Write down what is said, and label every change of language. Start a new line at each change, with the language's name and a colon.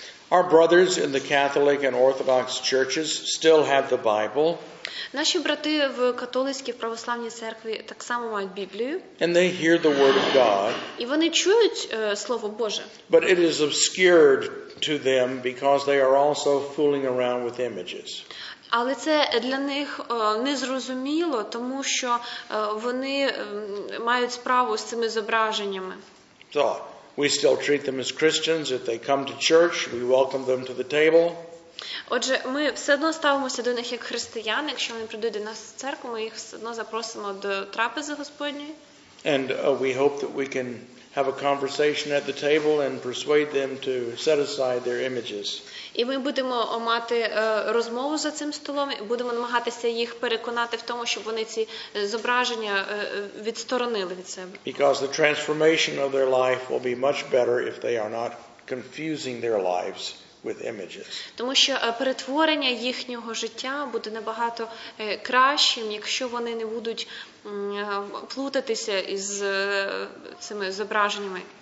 English: Our brothers in the Catholic and Orthodox churches still have the Bible.
Ukrainian: Наші брати в католицькій православній церкві так само мають Біблію.
English: And they hear the word of God.
Ukrainian: І вони чують слово Боже.
English: But it is obscured to them because they are also fooling around with images.
Ukrainian: Але це для них незрозуміло, тому що вони мають справу з цими зображеннями.
English: So, we still treat them as Christians. If they come to church, we welcome them to the table.
Ukrainian: Отже, ми все одно ставимося до них як християн, якщо вони прийдуть до нас в церкву, ми їх все одно запросимо до трапези Господньої.
English: And we hope that we can have a conversation at the table and persuade them to set aside their images.
Ukrainian: І ми будемо мати розмову за цим столом, будемо намагатися їх переконати в тому, щоб вони ці зображення відсторонили від себе.
English: Because the transformation of their life will be much better if they are not confusing their lives with images.
Ukrainian: Тому що перетворення їхнього життя буде набагато кращим, якщо вони не будуть плутатися із цими зображеннями.